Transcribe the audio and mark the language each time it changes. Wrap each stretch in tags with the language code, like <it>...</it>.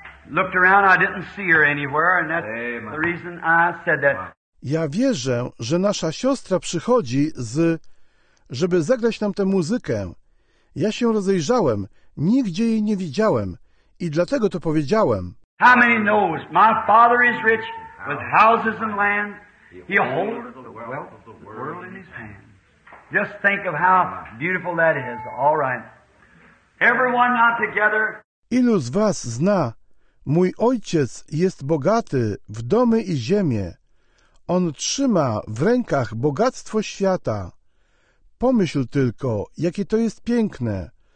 <en>Looked around, I didn't see her anywhere, and that's Amen. The reason I said that.</en> <pl>Ja wierzę, że nasza siostra przychodzi z... żeby zagrać nam tę muzykę. Ja się rozejrzałem, nigdzie jej nie widziałem i dlatego to powiedziałem.</pl> <en>How many knows? My father is rich with houses and land. He holds the wealth of the world in his hand. Just think of how beautiful that is. All right. Everyone not together.</en> <pl>Ilu z was zna? Mój ojciec jest bogaty w domy i ziemię. On trzyma w rękach bogactwo świata. Pomyśl tylko, jakie to jest piękne.</pl>